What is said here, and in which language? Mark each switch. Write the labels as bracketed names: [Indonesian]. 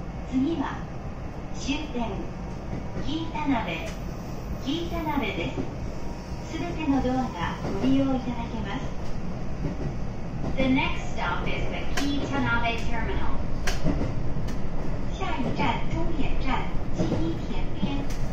[Japanese] 次は終点キータナベ、キータナベです。すべてのドアがご利用いただけます。 [English] The next stop is the Kitanabe Terminal. [Chinese] 下一站终点站基伊田边。